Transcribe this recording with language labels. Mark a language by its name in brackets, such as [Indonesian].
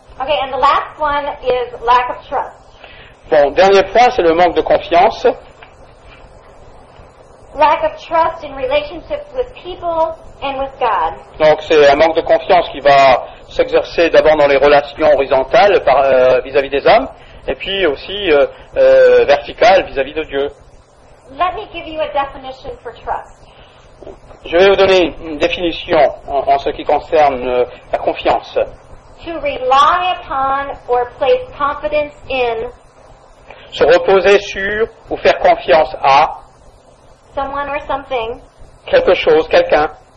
[English] Okay, and the last one is lack of trust. [French] Bon, dernier point, c'est le manque de confiance. [English] Lack of trust in relationships with people and with God. [French] Donc, c'est un manque de confiance qui va s'exercer d'abord dans les relations horizontales vis-à-vis des hommes, et puis aussi verticales vis-à-vis de Dieu. [English] Let me give you a definition for trust. [French] Je vais vous donner une définition en ce qui concerne la confiance. [English] To rely upon or place confidence in. [French] Se reposer sur ou faire confiance à [English] someone or something. [French] Quelque chose, quelqu'un.